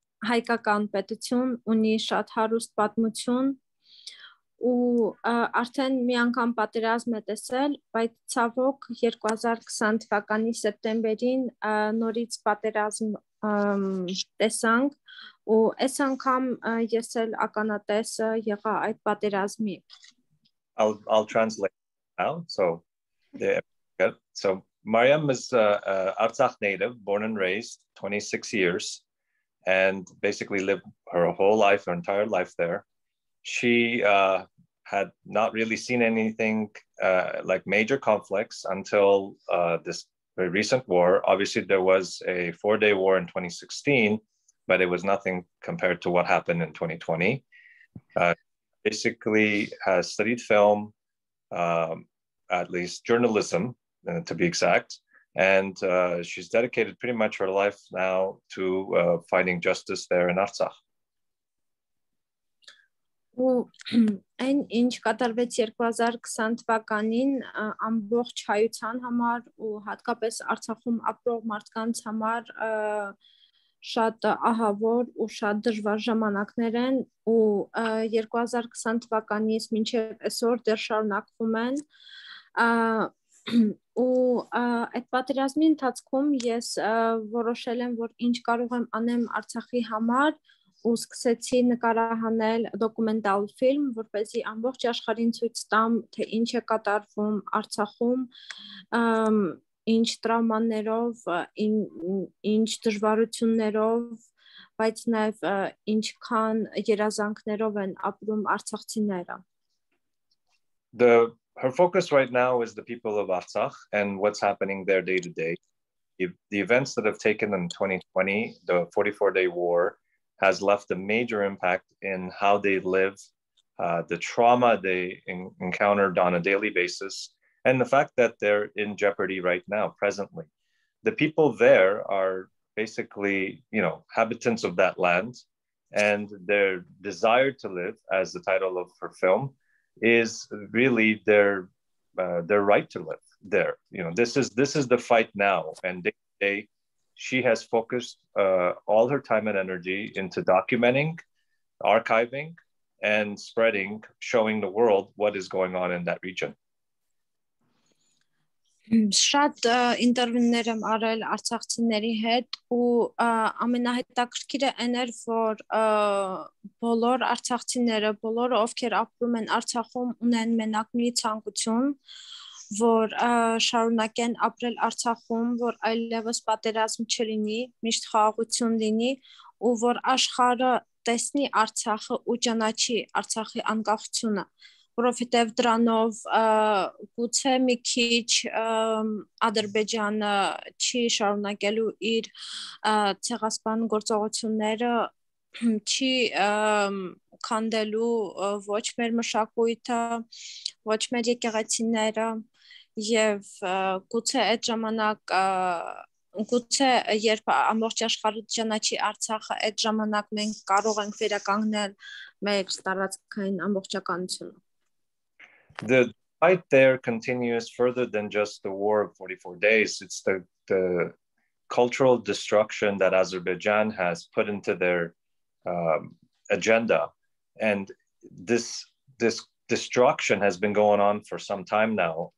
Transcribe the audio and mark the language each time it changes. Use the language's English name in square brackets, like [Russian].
[Armenian] հայկական պետություն ունի շատ հարուստ պատմություն, ու արդեն մի անգամ պատերազմ է տեսել, բայց ցավոք 2020 թվականի սեպտեմբերին նորից պատերազմ տեսանք, ու այս անգամ ես էլ ականատեսը եղա այդ պատերազմի։ [English] I'll translate now. So Mariam is Artsakh native, born and raised, 26 years, and basically lived her whole life, her entire life there. She had not really seen anything like major conflicts until this very recent war. Obviously, there was a four-day war in 2016, but it was nothing compared to what happened in 2020. Basically, has studied film, at least journalism, to be exact, and she's dedicated pretty much her life now to finding justice there in Artsakh. [Armenian] Ու այն ինչ կատարվեց 2020 թվականին ամբողջ հայության համար ու հատկապես Արցախում ապրող մարդկանց համար շատ ահավոր ու շատ դժվար ժամանակներ են ու 2020 թվականից մինչև այսօր դեռ շարունակվում են ու այդ պատերազմի ընթացքում ես որոշել եմ որ ինչ կարող եմ անեմ Արցախի համար ու սկսեցի նկարահանել դոկումենտալ ֆիլմ, որպեսզի ամբողջ աշխարհին ցույց տամ, թե ինչ է կատարվում Արցախում, ինչ տրավմաներով, ինչ դժվարություններով, բայց նաև ինչքան երազանքներով են ապրում արցախցիները. [English] Her focus right now is the people of Artsakh and what's happening there day to day. The events that have taken in 2020, the 44-day war, has left a major impact in how they live, the trauma they encountered on a daily basis, and the fact that they're in jeopardy right now, presently. The people there are basically, you know, inhabitants of that land, and their desire to live, as the title of her film, is really their right to live there. You know, this is the fight now, and they she has focused all her time and energy into documenting, archiving, and spreading, showing the world what is going on in that region. [Armenian] Շատ ինտերվյուներ եմ արել արցախցիների հետ ու ամենահետաքրքիրը այն էր, որ բոլոր արցախցիները, բոլորը, ովքեր ապրում են Արցախում, ունեն մենակ մի ցանկություն, որ շարունակեն ապրել Արցախում, որ այլևս պատերազմ չլինի, միշտ խաղաղություն լինի, ու որ աշխարհը տեսնի Արցախը ու ճանաչի Արցախի անկախությունը, որովհետև դրանով գուցե մի քիչ Ադրբեջանը չի շարունակելու իր ցեղասպան գործողությունները, չի քանդելու ոչ մեր մշակույթը, ոչ մեր եկեղեցիները, և գուցե այդ ժամանակ գուցե երբ ամբողջ աշխարհը ճանաչի Արցախը, այդ ժամանակ մենք կարող ենք վերականգնել մեր տարածքային ամբողջականությունը։ [English] The fight there continues further than just the war of 44 days. It's the cultural destruction that Azerbaijan has put into their agenda. And this destruction has been going on for some time now.